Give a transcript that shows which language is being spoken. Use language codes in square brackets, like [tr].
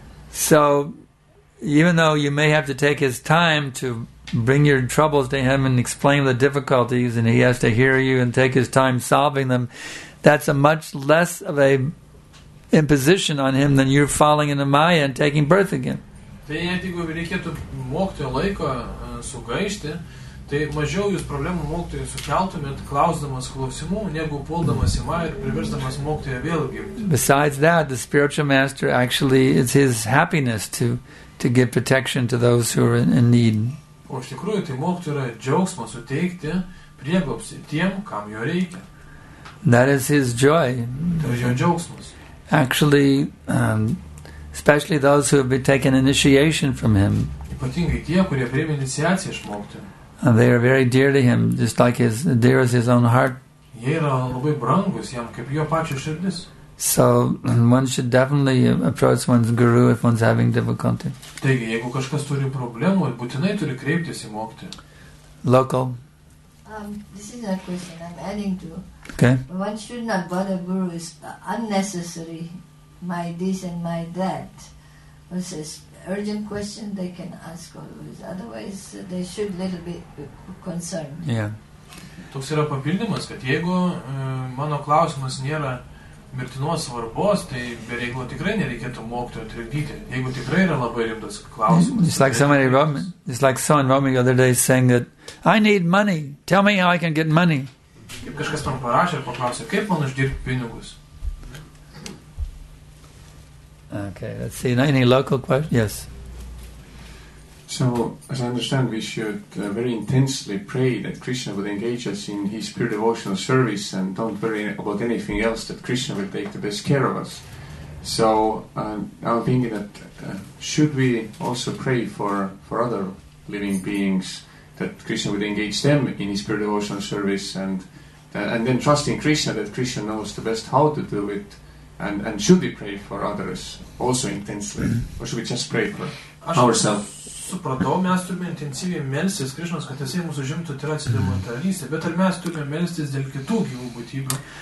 [en] So even though you may have to take his time to bring your troubles to him and explain the difficulties and he has to hear you and take his time solving them, that's a much less of a imposition on him than you're falling into Maya and taking birth again. [lt] Tai net jeigu reikėtų mokti laiko sugaišti, tai mažiau jūs problemų mokytojai sukeltumėt klausdamas klausimų, negu puldamas į Maya ir priversdamas mokytoją vėl gimti. [en] Besides that, the spiritual master actually, it's his happiness to give protection to those who are in need. [lt] O iš tikrųjų, tai mokytojai yra džiaugsmas suteikti prieglobstį tiem, kam jo reikia. [en] That is his joy. [lt] Tai jo džiaugsmas. [en] Actually, especially those who have been taken initiation from him. [lt] Ypatingai tie, kurie priėmė iniciaciją iš mokytojo. [en] And they are very dear to him, just like his dear as his own heart. [lt] Jie yra labai brangus jam, kaip jo pačio širdis. [en] So one should definitely approach one's guru if one's having difficulty. [lt] Taigi, jeigu kažkas turi problemų, būtinai turi kreiptis į mokytoją. [en] Local. This is a question I'm adding to. Okay. One should not bother guru is unnecessary. My this and my that. It's an urgent question they can ask always. Otherwise, they should a little bit concerned. Yeah. [lt] Toks yra papildymas, kad jeigu mano klausimas nėra mirtinos svarbos, tai be reikalo tikrai nereikėtų mokytojo trikdyti. Jeigu tikrai yra labai rimtas klausimas. [en] It's like somebody wrote me, it's like someone wrote me the other day saying that I need money. Tell me how I can get money. [lt] Kaip kažkas man parašė ir paklausė, kaip man uždirbti pinigus. [en] Okay, let's see. Any local questions? Yes. So, as I understand, we should very intensely pray that Krishna would engage us in his pure devotional service and don't worry about anything else, that Krishna will take the best care of us. So, I'm thinking that should we also pray for other living beings, that Krishna would engage them in his pure devotional service and then trust in Krishna, that Krishna knows the best how to do it, and should we pray for others also intensely, or should we just pray for ourselves? [lt] Supratau, mes turime intensyviai melstis Krišnos, kad jisai mūsų žimtų tirasi demontalystę, bet ar mes turime melstis dėl kitų gyvų būtybių?